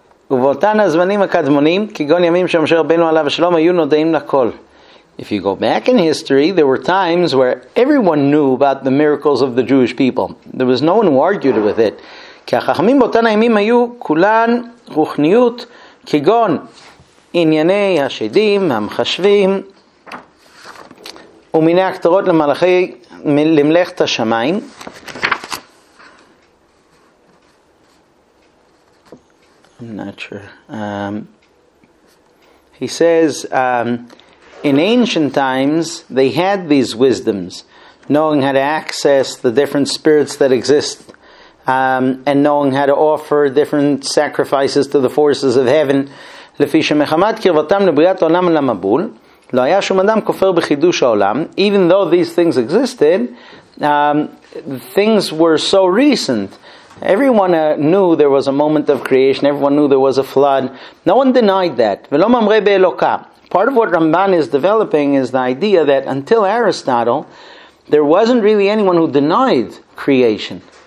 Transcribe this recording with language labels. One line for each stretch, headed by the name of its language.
Hebrew: ובאותן הזמנים הקדמונים, כגון ימים שמשה רבנו עליו השלום, היו נודעים לכל.
English: If you go back in history, there were times where everyone knew about the miracles of the Jewish people. There was no one who argued with it.
Hebrew: כי החכמים באותן הימים היו כולן רוחניות, כגון ענייני השדים, המחשבים, ומיני הכתרות למלאכת השמיים.
English: I'm not sure. He says, in ancient times, they had these wisdoms, knowing how to access the different spirits that exist, and knowing how to offer different sacrifices to the forces of heaven.
Hebrew: לפי שמחמת קרבתם לבריאת העולם על המבול, לא היה שום אדם כופר בחידוש העולם,
English: even though these things existed, things were so recent. Everyone knew there was a moment of creation. Everyone knew there was a flood. No one denied that. Part of what Ramban is developing is the idea that until Aristotle, there wasn't really anyone who denied creation.